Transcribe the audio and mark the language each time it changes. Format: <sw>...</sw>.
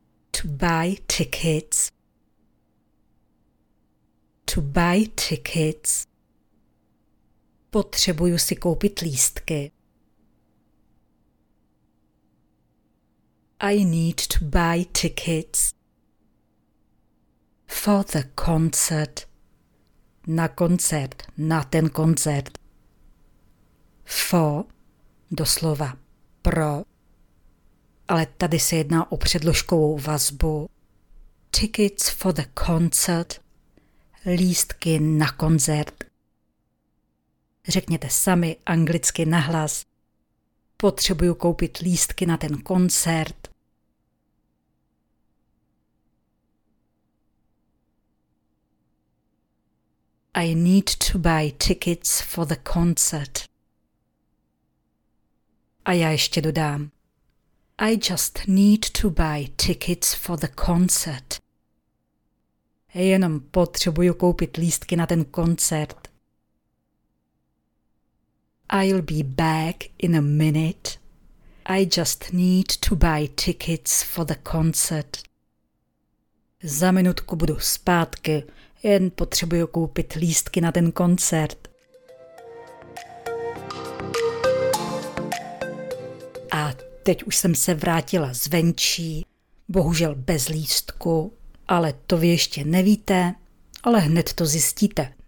<en>To buy tickets. to buy tickets.</en> <cs>Potřebuju si koupit lístky.</cs> <en>I need to buy tickets for the concert.</en> <cs>Na koncert, na ten koncert. For, doslova pro, ale tady se jedná o předložkovou vazbu.</cs> <en>Tickets for the concert,</en> <cs>lístky na koncert. Řekněte sami anglicky nahlas. Potřebuju koupit lístky na ten koncert.</cs> <en>I need to buy tickets for the concert.</en> <cs>A já ještě dodám.</cs> <en>I just need to buy tickets for the concert.</en> <cs>Jenom potřebuju koupit lístky na ten koncert.</cs> <en>I'll be back in a minute. I just need to buy tickets for the concert.</en> <cs>Za minutku budu zpátky. Jen potřebuju koupit lístky na ten koncert. A teď už jsem se vrátila zvenčí, bohužel bez lístku, ale to vy ještě nevíte, ale hned to zjistíte.</cs>